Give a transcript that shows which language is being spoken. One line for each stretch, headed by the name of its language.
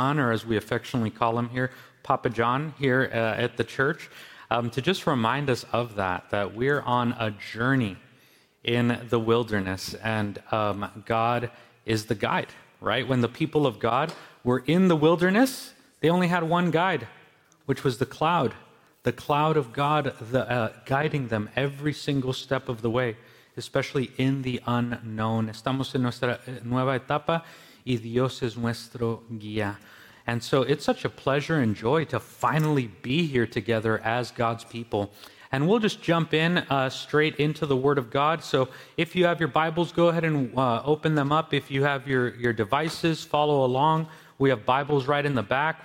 English: John, or as we affectionately call him here, Papa John, here at the church, to just remind us of that we're on a journey in the wilderness, and God is the guide, right? When the people of God were in the wilderness, they only had one guide, which was the cloud of God guiding them every single step of the way, especially in the unknown.
Spanish: Estamos en nuestra nueva etapa y Dios es nuestro guía.
English: And so it's such a pleasure and joy to finally be here together as God's people. And we'll just jump in straight into the Word of God. So if you have your Bibles, go ahead and open them up. If you have your devices, follow along. We have Bibles right in the back.